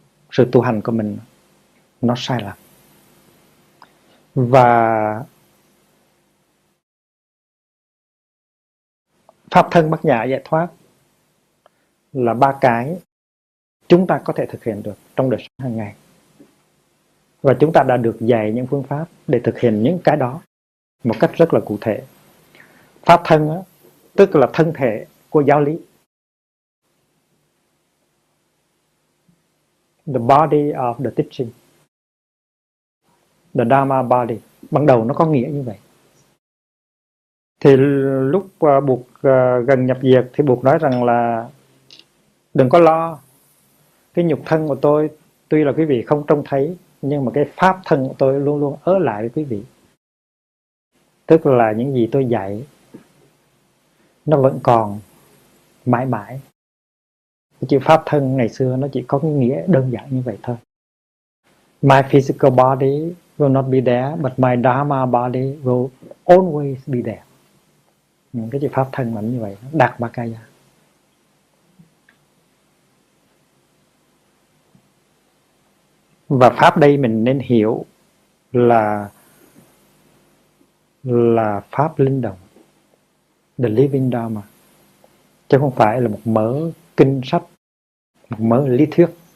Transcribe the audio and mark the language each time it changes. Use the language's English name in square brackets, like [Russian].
[Vietnamese] Sự tu hành của mình nó sai lầm. Và pháp thân bát nhã giải thoát là ba cái chúng ta có thể thực hiện được trong đời sống hàng ngày. Và chúng ta đã được dạy những phương pháp để thực hiện những cái đó một cách rất là cụ thể. Pháp thân á, tức là thân thể của giáo lý. [English] The body of the teaching. The Dharma body. [Vietnamese] Ban đầu nó có nghĩa như vậy. Thì lúc Bụt gần nhập diệt thì Bụt nói rằng là đừng có lo. Cái nhục thân của tôi tuy là quý vị không trông thấy, nhưng mà cái pháp thân của tôi luôn luôn ở lại với quý vị. Tức là những gì tôi dạy nó vẫn còn mãi mãi. Cái chữ pháp thân ngày xưa nó chỉ có nghĩa đơn giản như vậy thôi. [English] My physical body will not be there, but my Dharma body will always be there. [Vietnamese] Cái chữ pháp thân mà như vậy, Đạt Ba Kaya. Và pháp đây mình nên hiểu là pháp linh động, [English] the living Dharma, [Vietnamese] chứ không phải là một mớ kinh sách, một mớ lý thuyết.